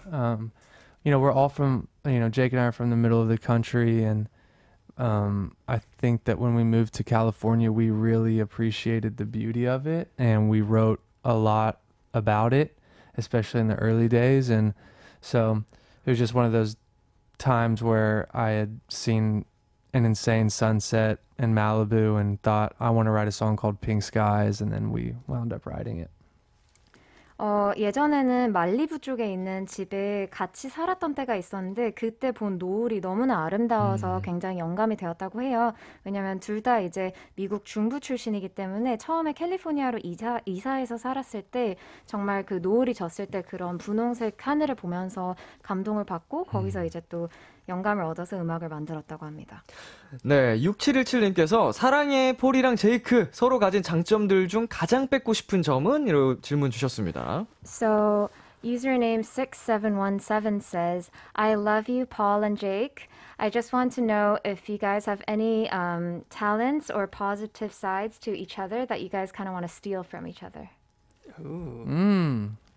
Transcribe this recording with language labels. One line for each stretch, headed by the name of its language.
English: You know, we're all from, you know, Jake and I are from the middle of the country, and I think that when we moved to California, we really appreciated the beauty of it, and we wrote a lot about it, especially in the early days. And so it was just one of those times where I had seen an insane sunset in Malibu and thought, I want to write a song called Pink Skies, and then we wound up writing it.
Korean: 예전에는 말리부 쪽에 있는 집에 같이 살았던 때가 있었는데 그때 본 노을이 너무나 아름다워서 굉장히 영감이 되었다고 해요. 왜냐하면 둘 다 이제 미국 중부 출신이기 때문에 처음에 캘리포니아로 이사해서 살았을 때 정말 그 노을이 졌을 때 그런 분홍색 하늘을 보면서 감동을 받고 거기서 이제 또 영감을 얻어서 음악을 만들었다고 합니다. 네, 6717님께서 사랑해 폴이랑 제이크 서로 가진 장점들 중 가장 뺏고 싶은 점은? 이런 질문 주셨습니다.
English: So, username 6717 says, I love you, Paul and Jake. I just want to know if you guys have any talents or positive sides to each other that you guys kind of want to steal from each other. Ooh.